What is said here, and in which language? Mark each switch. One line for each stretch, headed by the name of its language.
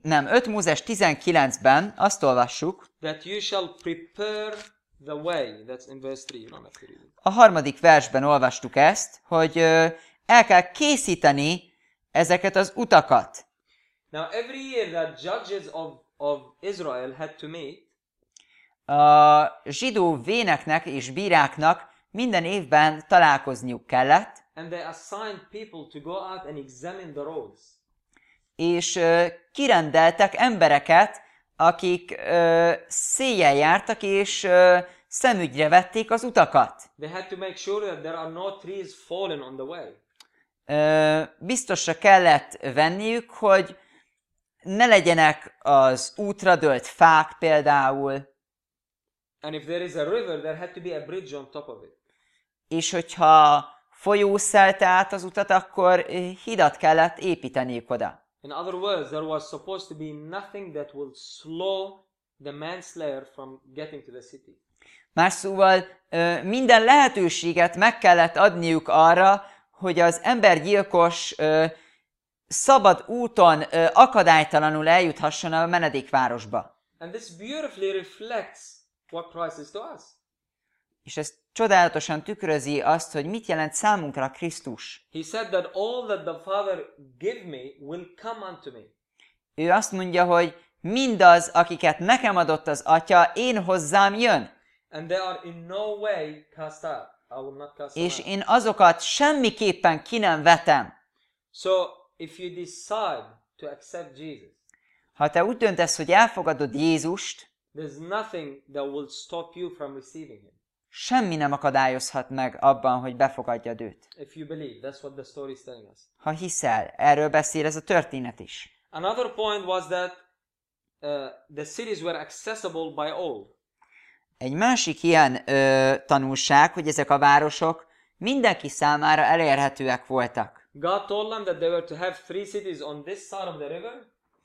Hungarian: Öt Mózes 19-ben azt olvassuk.
English: That you shall prepare the way. That's in verse 3.
Hungarian: A harmadik versben olvastuk ezt, hogy el kell készíteni ezeket az utakat.
English: Now every year the judges of Israel had to meet.
Hungarian: A zsidó véneknek és bíráknak minden évben találkozniuk kellett.
English: And they assigned people to go out and examine the roads.
Hungarian: És kirendeltek embereket, akik széllyel jártak és szemügyre vették az utakat.
English: They had to make sure that there are no trees fallen on the way.
Hungarian: Biztosra kellett venniük, hogy ne legyenek az útra dőlt fák például.
English: And if there is a river, there had to be a bridge on top of it.
Hungarian: És hogyha folyó szelte át az utat, akkor hidat kellett építeniük oda.
English: In other words, there was supposed to be nothing that would slow the manslayer from getting to the city.
Hungarian: Más szóval minden lehetőséget meg kellett adniuk arra, hogy az embergyilkos szabad úton akadálytalanul eljuthasson a menedékvárosba.
English: And this beautifully reflects what Christ is to us.
Hungarian: És ez csodálatosan tükrözi azt, hogy mit jelent számunkra Krisztus.
English: He said that all that the Father give me will come unto me.
Hungarian: Ő azt mondja, hogy mindaz, akiket nekem adott az Atya, én hozzám jön.
English: And they are in no way cast out. I will not cast out.
Hungarian: És én azokat semmiképpen ki nem vetem.
English: So if you decide to accept Jesus.
Hungarian: Ha te úgy döntesz, hogy elfogadod Jézust,
English: there's nothing that will stop you from receiving him.
Hungarian: Semmi nem akadályozhat meg abban, hogy befogadjad őt.
English: If you believe, that's what the story is telling us.
Hungarian: Ha hiszel, erről beszél ez a történet is.
English: Another point was that the cities were accessible by all.
Hungarian: Egy másik ilyen tanulság, hogy ezek a városok mindenki számára elérhetőek voltak.
English: God told them that they were to have three cities on this side of the river.